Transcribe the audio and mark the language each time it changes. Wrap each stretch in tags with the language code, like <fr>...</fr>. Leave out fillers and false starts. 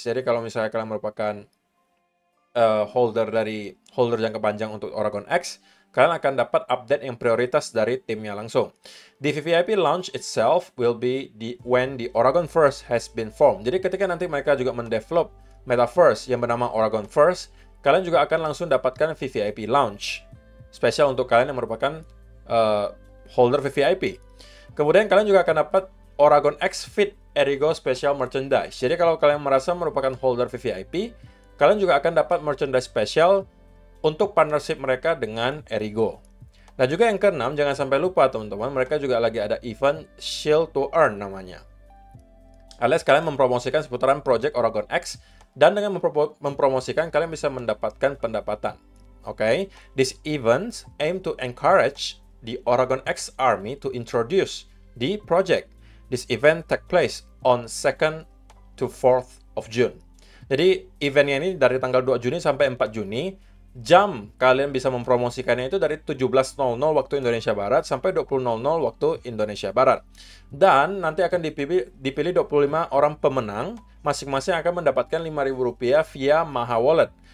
<id>Jadi kalau misalnya kalian merupakan holder dari holder jangka panjang untuk Oregon X, kalian akan dapat update yang prioritas dari timnya langsung.</id> <en>The VVIP launch itself will be when the Oregon First has been formed.</en> <id>Jadi ketika nanti mereka juga mendevelop Metaverse yang bernama Oregon First, kalian juga akan langsung dapatkan VVIP launch. Spesial untuk kalian yang merupakan holder VVIP. Kemudian kalian juga akan dapat Oregon X Fit Erigo Special Merchandise. Jadi kalau kalian merasa merupakan holder VVIP, kalian juga akan dapat merchandise special untuk partnership mereka dengan Erigo. Nah juga yang keenam, jangan sampai lupa teman-teman, mereka juga lagi ada event Shield to Earn namanya. Alias kalian mempromosikan seputaran Project Oregon X, dan dengan mempromosikan kalian bisa mendapatkan pendapatan. Oke, okay?</id> <en>This event aim to encourage the Oregon X Army to introduce the project. This event take place on 2nd to 4th of June.</en> <id>Jadi eventnya ini dari tanggal 2 Juni sampai 4 Juni. Jam kalian bisa mempromosikannya itu dari 17.00 waktu Indonesia Barat sampai 20.00 waktu Indonesia Barat. Dan nanti akan dipilih 25 orang pemenang. Masing-masing akan mendapatkan Rp5.000 via Maha Wallet.</id>